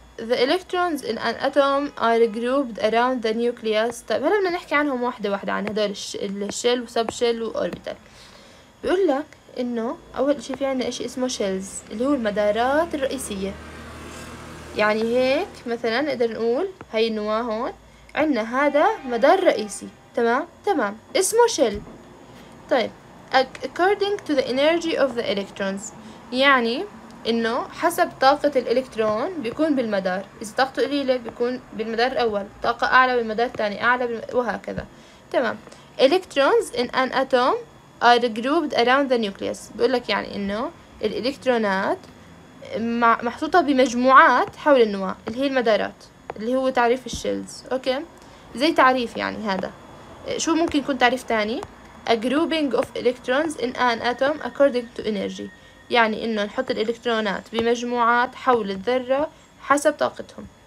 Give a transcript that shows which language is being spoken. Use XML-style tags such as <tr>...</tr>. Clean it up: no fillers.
<en>The electrons in an atom are grouped around the nucleus.</en> <ar>طيب هلا بدنا نحكي عنهم واحدة واحدة، عن هدول الشيل وسب شيل وأوربيتال. بيقول لك إنه أول إشي في عنا إشي اسمه شيلز اللي هو المدارات الرئيسية، يعني هيك مثلا نقدر نقول هاي النواة هون عنا هذا مدار رئيسي. تمام اسمه شيل. طيب</ar> <en>according to the energy of the electrons،</en> <ar>يعني انه حسب طاقة الالكترون بيكون بالمدار، اذا طاقته قليلة بيكون بالمدار الاول، طاقة اعلى بالمدار الثاني اعلى وهكذا. تمام.</ar> <en>electrons in an atom are grouped around the nucleus.</en> <ar>بقولك يعني انه الالكترونات محطوطة بمجموعات حول النواة اللي هي المدارات، اللي هو تعريف الشيلز. أوكي، زي تعريف يعني. هذا شو ممكن يكون تعريف تاني؟</ar> <en>A grouping of electrons in an atom according to energy،</en> <ar>يعني إنه نحط الإلكترونات بمجموعات حول الذرة حسب طاقتهم.</ar>